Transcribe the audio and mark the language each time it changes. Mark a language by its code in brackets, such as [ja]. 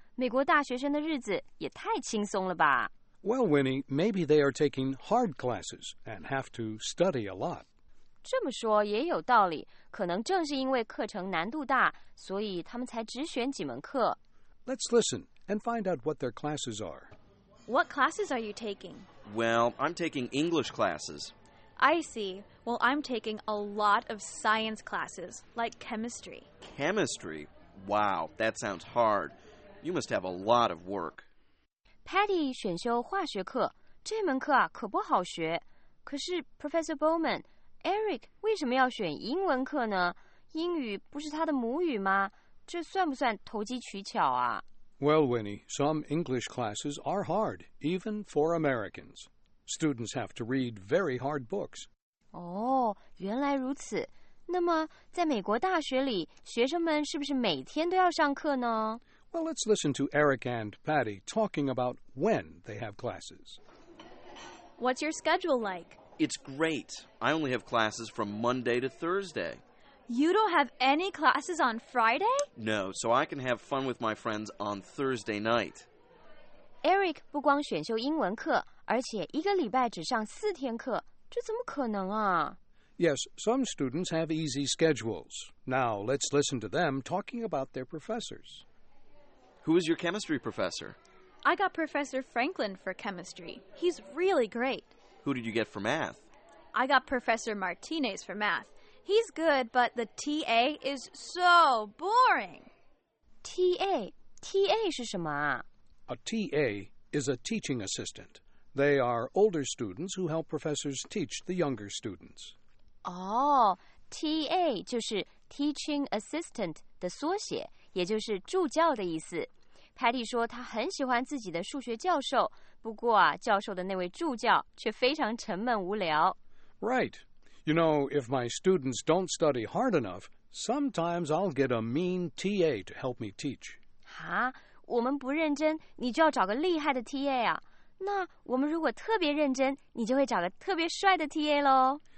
[zh] 美国大学生的日子也太轻松了吧。 [en] Well, Winnie, maybe they are taking hard classes and have to study a lot. [zh] 这么说也有道理，可能正是因为课程难度大，所以他们才只选几门课。 [en] Let's listen and find out what their classes are. What classes are you taking? Well, I'm taking English classes. I see. Well, I'm taking a lot of science classes, like chemistry. Chemistry? Wow, that sounds hard. You must have a lot of work. [zh] Patty 选修化学课，这门课啊可不好学。可是 Professor Bowman... Eric, 为什么要选英文课呢？英语不是他的母语吗？这算不算投机取巧啊？ [en] Well, Winnie, some English classes are hard, even for Americans. Students have to read very hard books. [zh] 哦，原来如此。那么，在美国大学里，学生们是不是每天都要上课呢？ [en] Well, let's listen to Eric and Patty talking about when they have classes. What's your schedule like? It's great. I only have classes from Monday to Thursday. You don't have any classes on Friday? No, so I can have fun with my friends on Thursday night. [zh] Eric 不光选修英文课，而且一个礼拜只上4天课，这怎么可能啊？ [en] Yes, some students have easy schedules. Now, let's listen to them talking about their professors. Who is your chemistry professor? I got Professor Franklin for chemistry. He's really great. Who did you get for math? I got Professor Martinez for math. He's good, but the TA is so boring. [zh] TA? TA 是什么啊? [en] A TA is a teaching assistant. They are older students who help professors teach the younger students. [zh] Oh, TA 就是 teaching assistant 的缩写，也就是助教的意思。泰蒂说他很喜欢自己的数学教授，不过啊，教授的那位助教却非常沉闷无聊。 [en] Right. You know, if my students don't study hard enough, sometimes I'll get a mean TA to help me teach. [zh] 哈，我们不认真，你就要找个厉害的 TA 啊。那我们如果特别认真，你就会找个特别帅的 TA 咯。